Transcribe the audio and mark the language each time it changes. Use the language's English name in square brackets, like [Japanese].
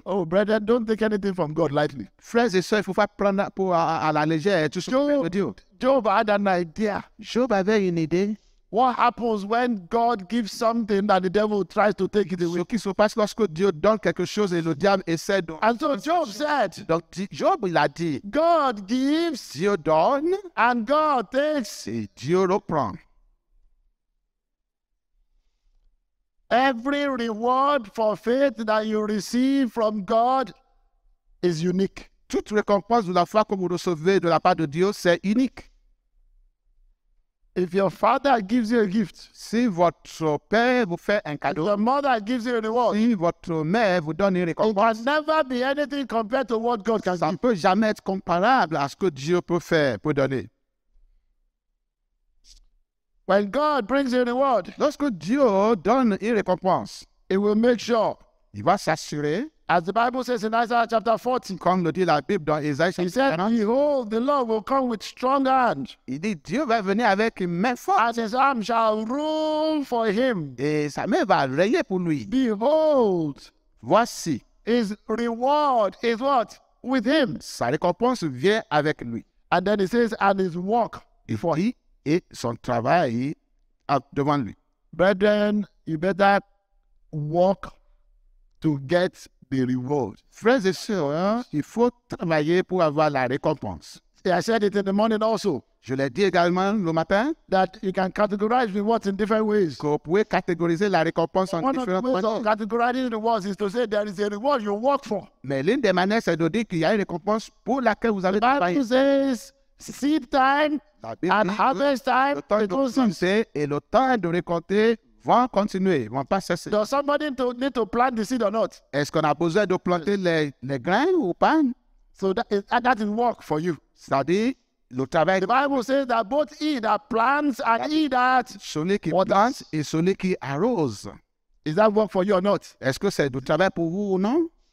[English] Oh, brother, don't take anything from God lightly. [French] Frères et sœurs, il ne faut pas prendre pour à la légère tout ce que vient de Dieu. [English] Job had an idea. [French] Job avait une idée. [English] What happens when God gives something that the devil tries to take it away? [French] Ce qui se passe lorsque Dieu donne quelque chose et le diable essaie de... [English] And so Job said, [French] donc Job il a dit, [English] God gives, [French] Dieu donne, [English] and God takes, [French] et Dieu reprend. [English] Every reward for faith that you receive from God is unique. [French] Toute récompense de la foi que vous recevez de la part de Dieu, c'est unique. [English] If your father gives you a gift, [French] si votre père vous fait un cadeau, [English] if your mother gives you a reward, [French] si votre mère vous donne une récompense, [English] it can never be anything compared to what God can do. [French] Ça ne peut jamais être comparable à ce que Dieu peut faire, peut donner. [English] When God brings you a reward, [French] lorsque Dieu donne une récompense, [English] it will make sure, [French] il va s'assurer, [English] as the Bible says in Isaiah chapter 40, [French] comme le dit la Bible dans Isaiah chapter [English] 40, he said, behold, the Lord will come with strong hand. [French] Il dit, Dieu va venir avec une main forte. [English] As his arm shall rule for him. [French] Et sa main va régner pour lui. [English] Behold, [French] voici, [English] his reward is what? With him. [French] Sa récompense vient avec lui. [English] And then he says, and his work before him. [French] Et son travail devant lui. [English] Brethren, you better work to get the reward. [French] Frères et sœurs, hein, il faut travailler pour avoir la récompense. [English] I said it in the morning also. [French] Je l'ai dit également le matin. [English] That you can categorize rewards in different ways. [French] Que vous pouvez catégoriser la récompense en différents points. [English] One of the ways of categorizing rewards is to say there is a reward you work for. [French] Mais l'une des manières c'est de dire qu'il y a une récompense pour laquelle vous avez travaillé. [English] The Bible says seed time and harvest time. [French] Le temps de planter et le temps de récolter vont continuer, vont pas cesser. [English] Does somebody need to plant the seed or not? [French] Est-ce qu'on a besoin de planter les grains ou pas? [English] So that is work for you. [French] C'est-à-dire le travail. [English] The Bible says that both he that plants and he that [French] celui qui plante et celui qui arrose. [English] Is that work for you or not? [French] Est-ce que c'est du travail pour vous ou non?